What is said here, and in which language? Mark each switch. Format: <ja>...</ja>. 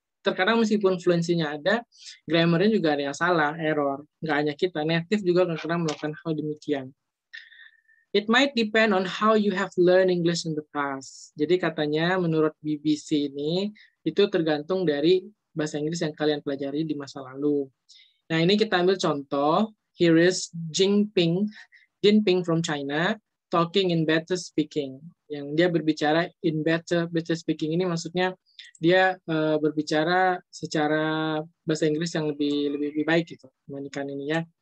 <id>Terkadang meskipun fluensinya ada, grammarnya juga ada yang salah, error. Nggak hanya kita, native juga kadang-kadang melakukan hal demikian.</id> <en>It might depend on how you have learned English in the past.</en> <id>Jadi katanya menurut BBC ini, itu tergantung dari bahasa Inggris yang kalian pelajari di masa lalu. Nah ini kita ambil contoh,</id> <en>here is Jinping from China, talking in better speaking.</en> <id>Yang dia berbicara</id> <en>in better speaking</en> <id>ini maksudnya dia berbicara secara bahasa Inggris yang lebih baik gitu dibandingkan ini ya.</id>